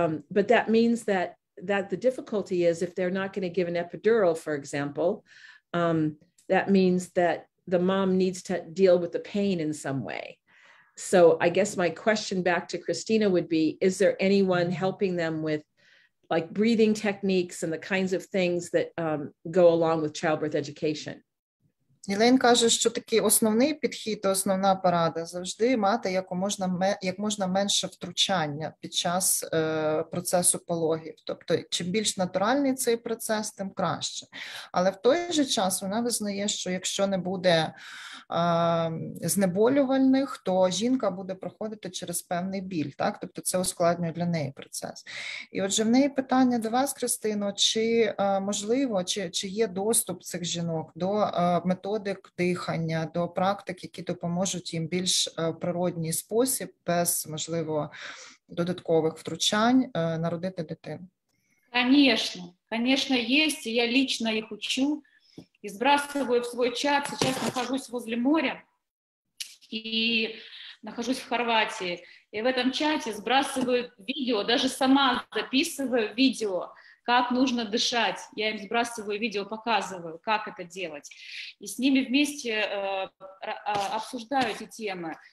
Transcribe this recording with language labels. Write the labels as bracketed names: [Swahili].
[English] But that means that the difficulty is if they're not going to give an epidural, for example, that means that the mom needs to deal with the pain in some way. So I guess my question back to Christina would be, is there anyone helping them with like breathing techniques and the kinds of things that go along with childbirth education? [Ukrainian] Єлен каже, що такий основний підхід, основна порада завжди мати як можна менше втручання під час процесу пологів. Тобто, чим більш натуральний цей процес, тим краще. Але в той же час вона визнає, що якщо не буде знеболювальних, то жінка буде проходити через певний біль, так? Тобто це ускладнює для неї процес. І отже, в неї питання до вас, Кристино, чи можливо, чи є доступ цих жінок до методик дихання, до практик, які допоможуть їм більш природній спосіб, без, можливо, додаткових втручань, народити дитину? Звісно, звісно, є, я лично їх учу. [Russian] И сбрасываю в свой чат. Сейчас нахожусь возле моря и нахожусь в Хорватии. И в этом чате сбрасываю видео, даже сама записываю видео, как нужно дышать. Я им сбрасываю видео, показываю, как это делать. И с ними вместе обсуждаю эти темы.